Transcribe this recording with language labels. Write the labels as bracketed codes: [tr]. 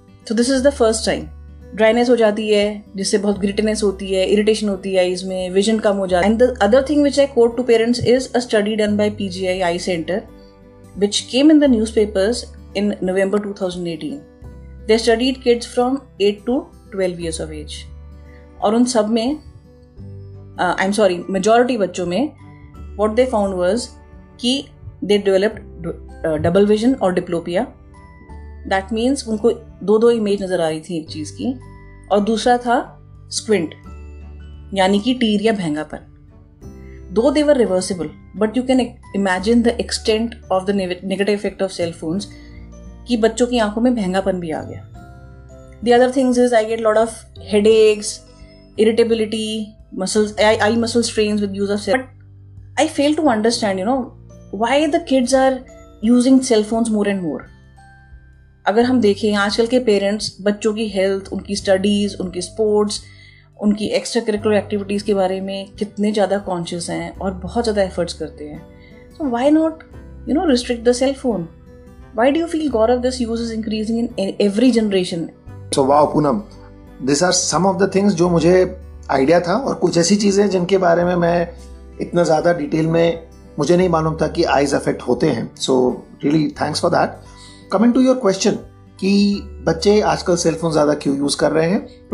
[en] So this is the first time. Dryness [hi] हो जाती है जिससे बहुत grittiness होती है, irritation होती है eyes में, vision कम हो जाती है. [en] And the other thing which I quote to parents is a study done by PGI Eye Center which came in the newspapers in November 2018. They studied kids from 8 to 12 years of age. [hi] और उन सब में, [en] I'm sorry, majority [hi] बच्चों में, [en] what they found was कि they developed double vision or diplopia. That means [hi] उनको दो-दो image नजर आ रही थी एक चीज की, और दूसरा था squint, यानी कि टीर या भेंगापन. [en] Though they were reversible, but you can imagine the extent of the negative effect of cell phones. [hi] कि बच्चों की आंखों में भेंगापन भी आ गया। [en] The other things is I get lot of headaches, irritability, muscles, eye muscle strains with use of cell. But I fail to understand, you know, why the kids are using cell phones more and more. [hi] अगर हम देखें आजकल के parents बच्चों की health, उनकी studies, उनकी sports, उनकी एक्स्ट्रा करिकुलर एक्टिविटीज के बारे में कितने ज़्यादा कॉन्शियस हैं और बहुत ज़्यादा एफर्ट्स करते हैं, तो [en] Why not you know restrict the cell phone? Why do you feel, Gaurav, this use is increasing in every generation? So wow, Poonam, these are some of the things [hi] जो मुझे idea था और कुछ ऐसी चीजें जिनके बारे में मैं इतना ज़्यादा detail में मुझे नहीं मालूम था कि eyes affect होते हैं. [en] So really thanks for that. Coming to your question [hi] कि बच्चे आजकल cell phone ज़्यादा क्यों use कर रहे हैं?